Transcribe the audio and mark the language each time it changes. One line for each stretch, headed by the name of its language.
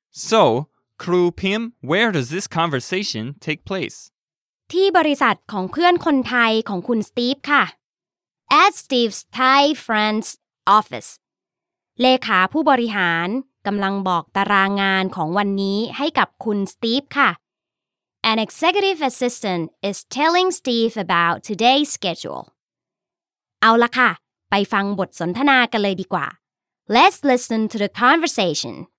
English: So, ครูพิมพ์, where does this conversation take place?
Thai: ที่บริษัทของเพื่อนคนไทยของคุณสตีฟค่ะ.
English: At Steve's Thai friend's office.
Thai: เลขาผู้บริหารกำลังบอกตารางงานของวันนี้ให้กับคุณสตีฟค่ะ.
English: An executive assistant is telling Steve about today's schedule.
Thai: เอาละค่ะ, ไปฟังบทสนทนากันเลยดีกว่า.
English: Let's listen to the conversation.